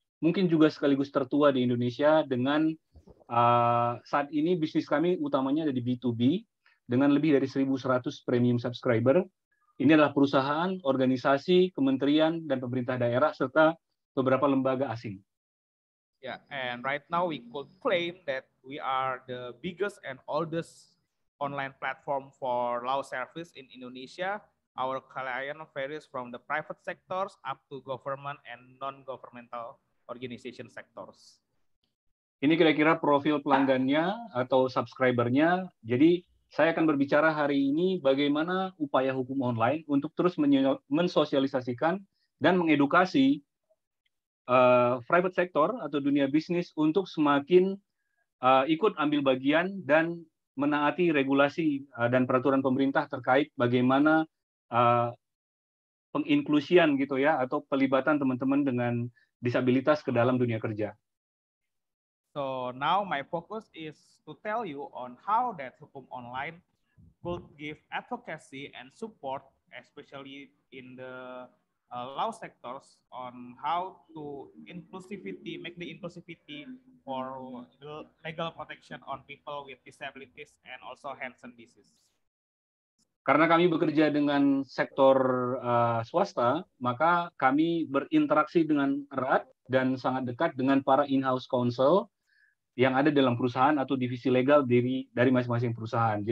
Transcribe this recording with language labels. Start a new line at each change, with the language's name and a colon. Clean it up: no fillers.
Indonesian: Mungkin juga sekaligus tertua di Indonesia dengan saat ini bisnis kami utamanya ada di B2B dengan lebih dari 1.100 premium subscriber. Ini adalah perusahaan, organisasi, kementerian, dan pemerintah daerah serta beberapa lembaga asing.
English: Yeah, and right now we could claim that we are the biggest and oldest online platform for law service in Indonesia Our client varies from the private sectors up to government and non-governmental organization sectors.
Indonesian: Ini kira-kira profil pelanggannya atau subscribernya. Jadi saya akan berbicara hari ini bagaimana upaya hukum online untuk terus mensosialisasikan dan mengedukasi private sector atau dunia bisnis untuk semakin ikut ambil bagian dan menaati regulasi dan peraturan pemerintah terkait bagaimana penginklusian gitu ya, atau pelibatan teman-teman dengan disabilitas ke dalam dunia kerja.
English: So now my focus is to tell you on how that hukum online could give advocacy and support, especially in the law sectors, on how to inclusivity, make the inclusivity for legal protection on people with disabilities and also Hansen disease.
Indonesian: Karena kami bekerja dengan sektor swasta, maka kami berinteraksi dengan erat dan sangat dekat dengan para in-house counsel yang ada dalam perusahaan atau divisi legal dari masing-masing perusahaan.